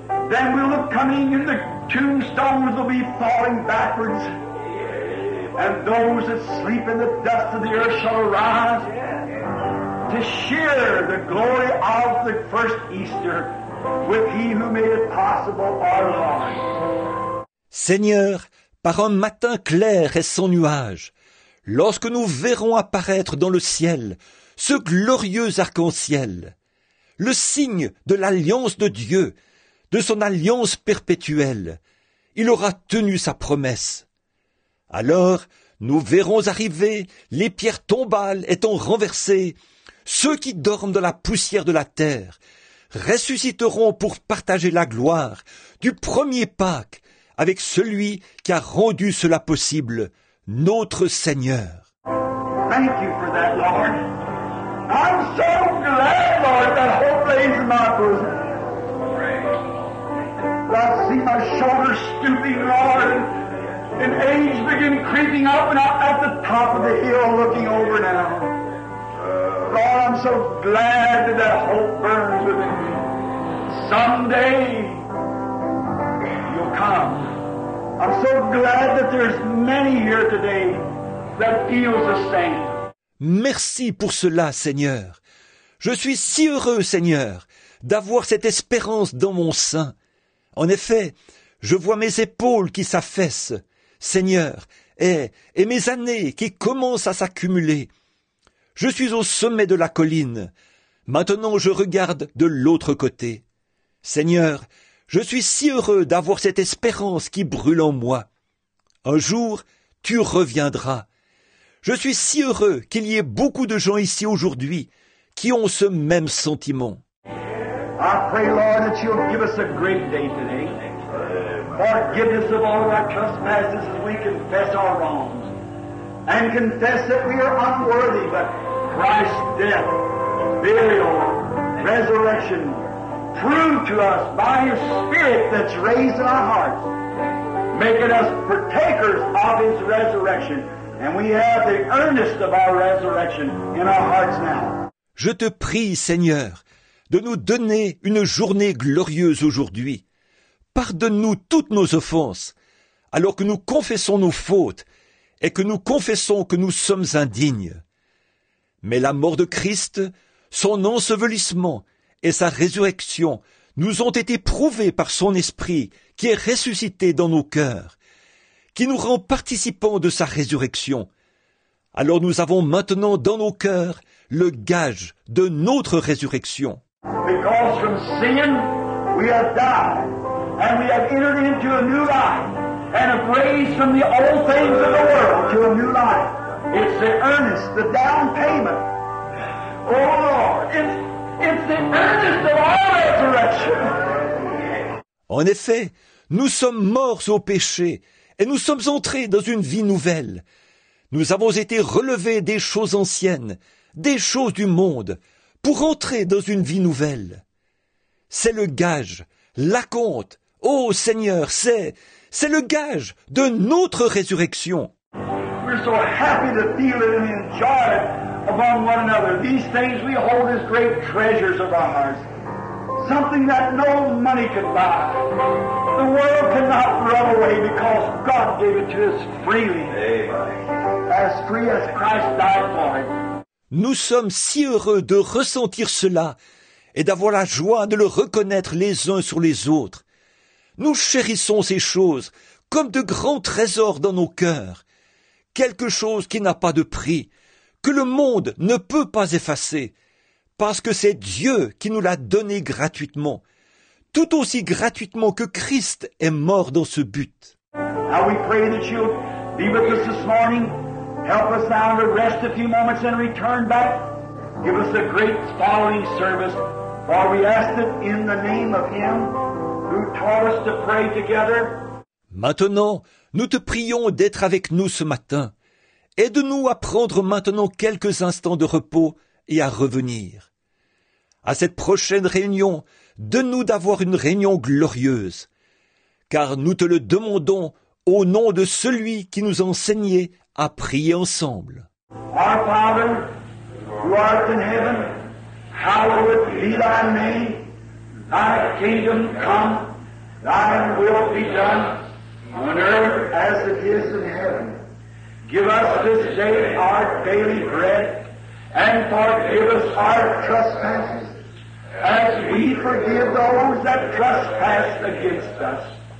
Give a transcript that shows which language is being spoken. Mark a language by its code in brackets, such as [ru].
[en] Then we'll look coming and the tombstones will be falling backwards. And those that sleep in the dust of the earth shall arise to share the glory of the first Easter with He who made it possible, our Lord. [fr] Seigneur, par un matin clair et sans nuage, lorsque nous verrons apparaître dans le ciel ce glorieux arc-en-ciel, le signe de l'alliance de Dieu, de son alliance perpétuelle, il aura tenu sa promesse. Alors, nous verrons arriver les pierres tombales étant renversées. Ceux qui dorment dans la poussière de la terre ressusciteront pour partager la gloire du premier Pâques avec celui qui a rendu cela possible, notre Seigneur. [en] Thank you for that, Lord. I'm so glad, Lord, that hope lays in my bosom. I see my shoulders stooping, Lord, and age begin creeping up, and I'm at the top of the hill looking over now. Lord, I'm so glad that hope burns within me. Someday, you'll come. I'm so glad that there's many here today that feels the same. [fr] Merci pour cela, Seigneur. Je suis si heureux, Seigneur, d'avoir cette espérance dans mon sein. En effet, je vois mes épaules qui s'affaissent, Seigneur, et mes années qui commencent à s'accumuler. Je suis au sommet de la colline. Maintenant, je regarde de l'autre côté. Seigneur, je suis si heureux d'avoir cette espérance qui brûle en moi. Un jour, tu reviendras. Je suis si heureux qu'il y ait beaucoup de gens ici aujourd'hui qui ont ce même sentiment. [en] I pray, Lord, that you'll give us a great day today. Forgiveness of all of our trespasses as we confess our wrongs. And confess that we are unworthy, but Christ's death, burial, resurrection, prove to us by his Spirit that's raised in our hearts, making us partakers of his resurrection. And we have the earnest of our resurrection in our hearts now. [fr] Je te prie, Seigneur, de nous donner une journée glorieuse aujourd'hui. Pardonne-nous toutes nos offenses, alors que nous confessons nos fautes et que nous confessons que nous sommes indignes. Mais la mort de Christ, son ensevelissement et sa résurrection nous ont été prouvés par son Esprit qui est ressuscité dans nos cœurs, qui nous rend participants de sa résurrection. Alors nous avons maintenant dans nos cœurs le gage de notre résurrection. [en] Because from sin we have died, and we have entered into a new life, and have raised from the old things of the world to a new life. It's the earnest, the down payment. Oh Lord, it's the earnest of our resurrection. [fr] En effet, nous sommes morts au péché, et nous sommes entrés dans une vie nouvelle. Nous avons été relevés des choses anciennes, des choses du monde, pour entrer dans une vie nouvelle. C'est le gage, l'acompte, ô Seigneur, c'est le gage de notre résurrection. [en] We're so happy to feel it and enjoy it among one another. These things we hold as great treasures of ours. Something that no money could buy. The world cannot run away because God gave it to us freely. As free as Christ died for it. [fr] Nous sommes si heureux de ressentir cela et d'avoir la joie de le reconnaître les uns sur les autres. Nous chérissons ces choses comme de grands trésors dans nos cœurs. Quelque chose qui n'a pas de prix, que le monde ne peut pas effacer, parce que c'est Dieu qui nous l'a donné gratuitement, tout aussi gratuitement que Christ est mort dans ce but. [en] Now we pray that you'll be with us this morning. Help us now to rest a few moments and return back. Give us a great following service, for we ask it in the name of Him who taught us to pray together. [fr] Maintenant, nous te prions d'être avec nous ce matin. Aide-nous à prendre maintenant quelques instants de repos et à revenir. À cette prochaine réunion, donne-nous d'avoir une réunion glorieuse, car nous te le demandons au nom de celui qui nous a enseigné à prier ensemble. [en] Our Father, who art in heaven, hallowed be thy name. Thy kingdom come, thy will be done, on earth as it is in heaven. Give us this day our daily bread, and forgive us our trespasses, as we forgive those that trespass against us.